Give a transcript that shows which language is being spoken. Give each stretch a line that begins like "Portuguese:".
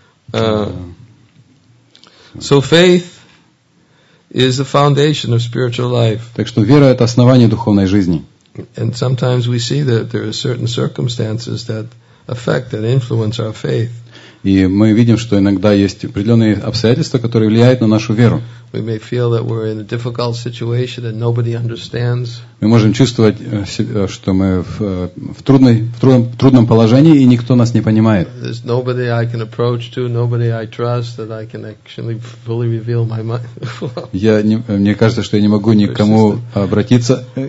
English: So faith is the foundation of spiritual life.
Russian: Так что вера — это основание духовной жизни.
English: And sometimes we see that there are certain circumstances that affect, that influence our faith.
Russian: И мы видим, что иногда есть определенные обстоятельства, которые влияют на нашу веру.
English: We may feel that we're in a difficult situation and nobody understands.
Russian: Мы можем чувствовать, что мы в трудном положении и никто нас не понимает.
English: There's nobody I can approach to, nobody I trust that I can actually fully reveal my mind.
Russian: Мне кажется, что я не могу никому обратиться.